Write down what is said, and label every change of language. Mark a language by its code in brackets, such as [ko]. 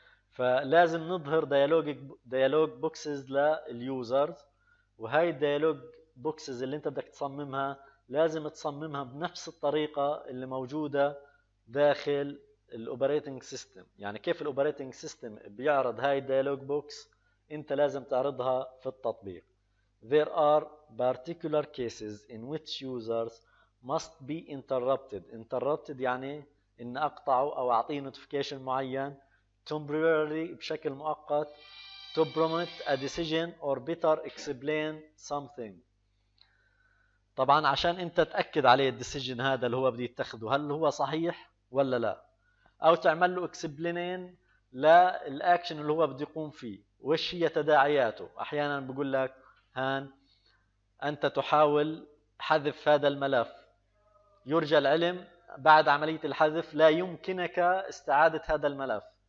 [ar] فلازم نظهر ديالوج بوكسز لليوزرز، وهي الديالوج بوكسز اللي أنت بدك تصممها لازم تصممها بنفس الطريقة اللي موجودة داخل الاوبريتنج سيستم. يعني كيف الاوبريتنج سيستم بيعرض هاي الديالوج بوكس انت لازم تعرضها في التطبيق. [en] There are particular cases in which users must be interrupted. [ar] Interrupted يعني ان اقطعه او اعطيه نوتيفيكيشن معين temporarily بشكل مؤقت to [en] to prompt a decision or better explain something. [ar] طبعا عشان انت تاكد عليه الديسيجن هذا اللي هو بده يتخذه هل هو صحيح ولا لا، او تعمل له اكسبلينين للاكشن اللي هو بده يقوم فيه وايش هي تداعياته. احيانا بقول لك هان انت تحاول حذف هذا الملف، يرجى العلم بعد عملية الحذف لا يمكنك استعادة هذا الملف.